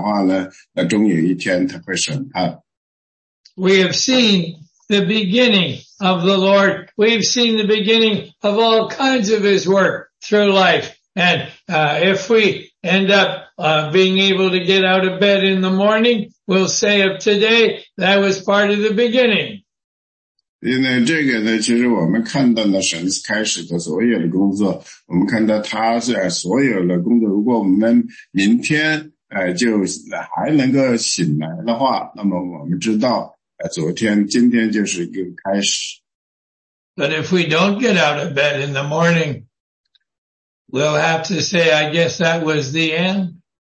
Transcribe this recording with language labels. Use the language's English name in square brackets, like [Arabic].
[Chinese] 所以呢，神呢，如果是给那个准备给人奖赏的话呢，那终有一天他会审判。 [English] We have seen the beginning of the Lord. We've seen the beginning of all kinds of his work through life. And if we end up being able to get out of bed in the morning, we'll say of today, that was part of the beginning. [Chinese] 因为这个呢，其实我们看到的神开始的所有的工作，我们看到他所有的工作，如果我们明天就还能够醒来的话，那么我们知道昨天、今天就是一个开始。 [English] But if we don't get out of bed in the morning, we'll have to say, I guess that was the end.